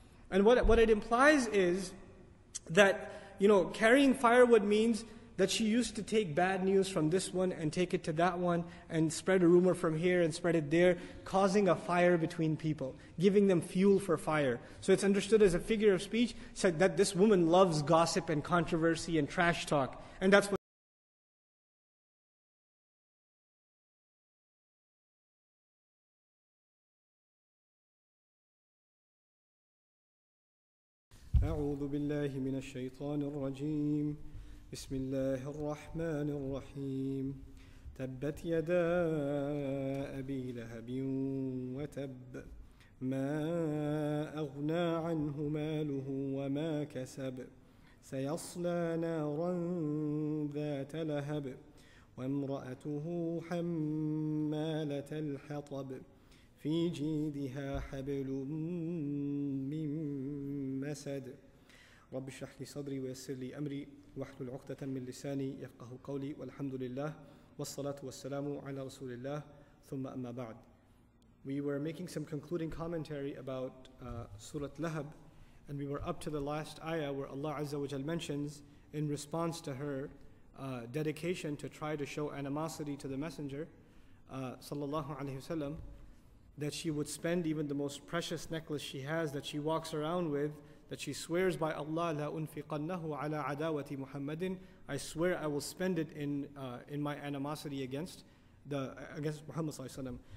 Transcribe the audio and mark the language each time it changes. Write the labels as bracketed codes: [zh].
[en] And what it implies is that, you know, carrying firewood means that she used to take bad news from this one and take it to that one and spread a rumor from here and spread it there, causing a fire between people, giving them fuel for fire. So it's understood as a figure of speech, said that this woman loves gossip and controversy and trash talk. And that's what [ar] أعوذ بالله من الشيطان الرجيم بسم الله الرحمن الرحيم تبت يدا أبي لهب وتب ما أغنى عنه ماله وما كسب سيصلى نارا ذات لهب وامرأته حمالة الحطب في جيدها حبل من مسد رب اشرح لي صدري ويسر لي امري واحلل عقدة من لساني يفقهوا قولي والحمد لله والصلاة والسلام على رسول الله ثم اما بعد. [en] We were making some concluding commentary about Surah Lahab, and we were up to the last ayah where Allah Azza wa Jal mentions, in response to her dedication to try to show animosity to the Messenger sallallahu alaihi wasallam, that she would spend even the most precious necklace she has that she walks around with, that she swears by Allah, [ar] لا أنفقنه على عداوة محمد, [en] I swear I will spend it in my animosity against Muhammad [ar] صلى الله عليه وسلم.